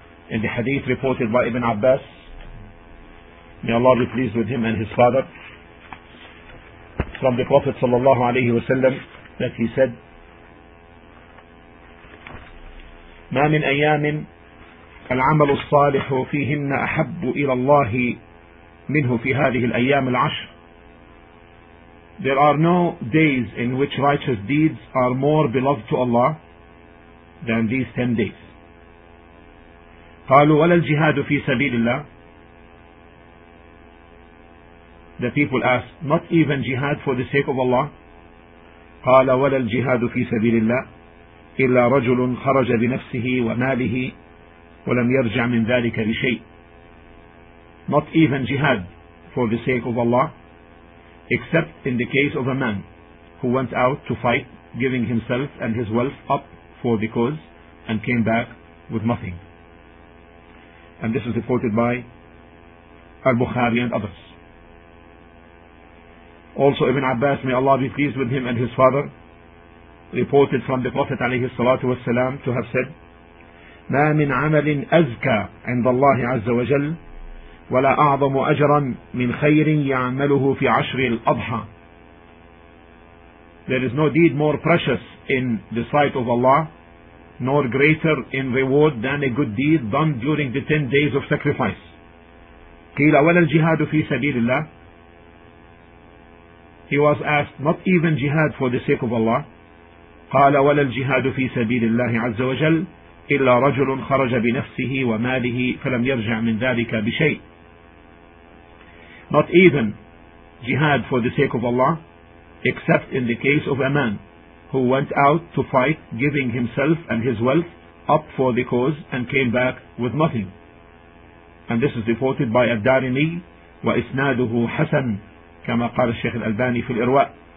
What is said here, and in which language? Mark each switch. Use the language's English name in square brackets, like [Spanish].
[English] in the hadith reported by Ibn Abbas, may Allah be pleased with him and his father, from the Prophet sallallahu alayhi wa sallam, that he said, [Arabic] ما من أيام العمل الصالح فيهن أحب إلى الله منه في هذه الأيام العشر. [English] There are no days in which righteous deeds are more beloved to Allah than these 10 days. [Arabic] قالوا ولا الجهاد في سبيل الله. [English] The people asked, not even jihad for the sake of Allah. [Arabic] قال ولا الجهاد في سبيل الله إلا رجل خرج بنفسه وماله ولم يرجع من ذلك بشيء. [English] Not even jihad for the sake of Allah, except in the case of a man who went out to fight, giving himself and his wealth up for the cause, and came back with nothing. And this is reported by Al-Bukhari and others. Also Ibn Abbas, may Allah be pleased with him and his father, reported from the Prophet عليه الصلاة والسلام to have said, [Arabic] ما من عمل أزكى عند الله عز وجل ولا أعظم أجرا من خير يعمله في عشر الأضحى. [English] There is no deed more precious in the sight of Allah, nor greater in reward than a good deed done during the 10 days of sacrifice. [Arabic] قيل ولا الجهاد في سبيل الله. [English] He was asked, not even jihad for the sake of Allah. [Arabic] قال ولا الجهاد في سبيل الله عز وجل إلا رجل خرج بنفسه وماله فلم يرجع من ذلك بشيء. [English] Not even jihad for the sake of Allah, except in the case of a man who went out to fight, giving himself and his wealth up for the cause, and came back with nothing. And this is reported by Ad-Darimi, [Arabic] wa isnaduhu hasan, kama qala Shaykh al-Albani fi al-Irwa.